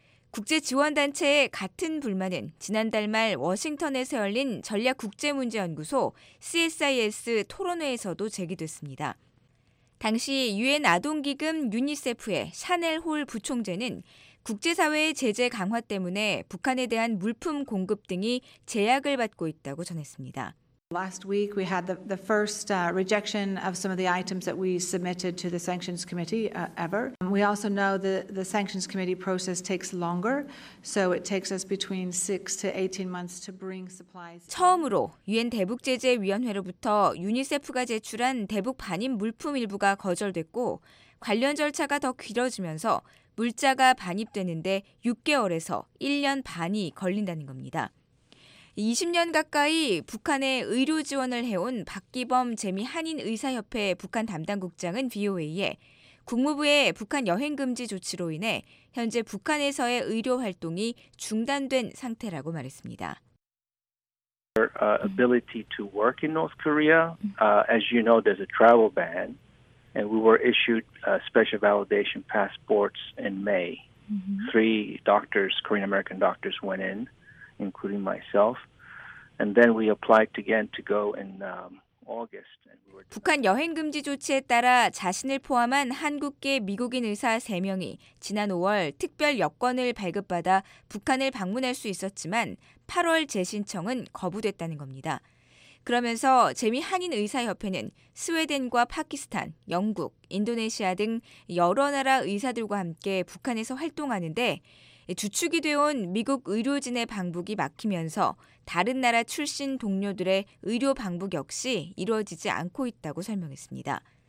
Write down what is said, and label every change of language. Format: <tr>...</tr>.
<ko>국제지원단체의 같은 불만은 지난달 말 워싱턴에서 열린 전략국제문제연구소 CSIS 토론회에서도 제기됐습니다. 당시 유엔 아동기금 유니세프의 샤넬 홀 부총재는 국제사회의 제재 강화 때문에 북한에 대한 물품 공급 등이 제약을 받고 있다고 전했습니다.</ko> <en>Last week we had the first rejection of some of the items that we submitted to the sanctions committee ever. We also know the sanctions committee process takes longer, so it takes us between 6 to 18 months to bring supplies.</en> <ko>처음으로 유엔 대북 제재 위원회로부터 유니세프가 제출한 대북 반입 물품 일부가 거절됐고 관련 절차가 더 길어지면서 물자가 반입되는데 6개월에서 1년 반이 걸린다는 겁니다. 20년 가까이 북한에 의료 지원을 해온 박기범 재미한인의사협회 북한 담당국장은 BOA에 국무부의 북한 여행 금지 조치로 인해 현재 북한에서의 의료 활동이 중단된 상태라고 말했습니다.</ko> <en>Our ability to work in North Korea, as you know, there's a travel ban, and we were issued special validation passports in May. Three doctors, Korean American doctors, went in. Including myself, and then we applied again to go and August.</en> <ko>북한 여행 금지 조치에 따라 자신을 포함한 한국계 미국인 의사 3명이 지난 5월 특별 여권을 발급받아 북한을 방문할 수 있었지만 8월 재신청은 거부됐다는 겁니다. 그러면서 재미 한인의사협회는 스웨덴과 파키스탄, 영국, 인도네시아 등 여러 나라 의사들과 함께 북한에서 활동하는데 주축이 되어온 미국 의료진의 방북이 막히면서 다른 나라 출신 동료들의 의료 방북 역시 이루어지지 않고 있다고 설명했습니다.</ko>